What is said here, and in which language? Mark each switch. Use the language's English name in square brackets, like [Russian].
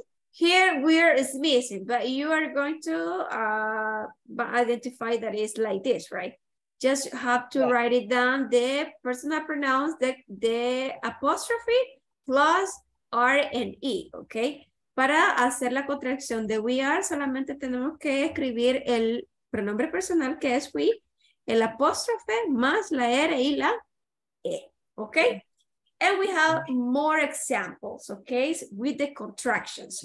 [English] Here we're is missing, but you are going to identify that it's like this, right? Just have to write it down, the personal pronouns, the apostrophe plus R and E, okay? [Spanish] Para hacer la contracción de we are, solamente tenemos que escribir el pronombre personal que es we, el apóstrofe más la R y la E, okay? [English] And we have more examples, okay, with the contractions.